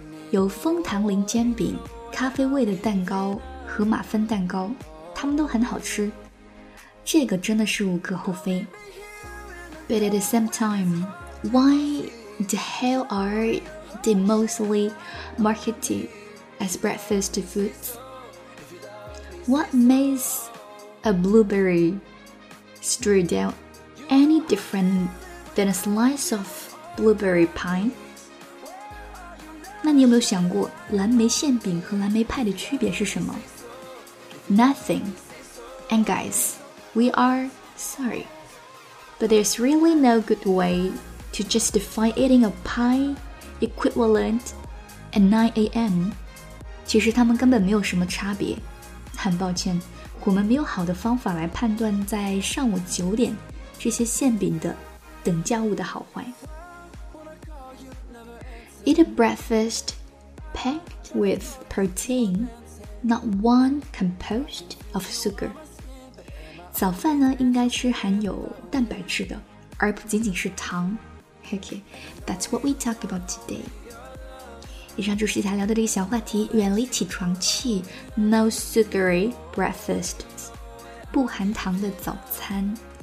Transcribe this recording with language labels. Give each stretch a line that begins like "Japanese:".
Chinese: 有枫糖零煎饼、咖啡味的蛋糕和马芬蛋糕，它们都很好吃，这个真的是无可厚非。
English: But at the same time, why the hell are they mostly marketed as breakfast foods? What makes a blueberry strudel any different than a slice of blueberry pie?
Chinese: 那你有没有想过蓝莓馅饼和蓝莓派的区别是什么？
English: Nothing. And guys, we are sorry. But there's really no good way to justify eating a pie equivalent at 9 a.m.
Chinese: 其实他们根本没有什么差别。很抱歉，我们没有好的方法来判断在上午九点这些馅饼的等价物的好坏。
English: Eat a breakfast packed with protein, not one composed of sugar.
Chinese: 早饭呢应该吃含有蛋白质的，而不仅仅是糖。
English: Okay, that's what we talk about today.
Chinese: 以上就是今天聊的这个小话题，远离起床气 ，
English: no sugary breakfast,
Chinese: 不含糖的早餐。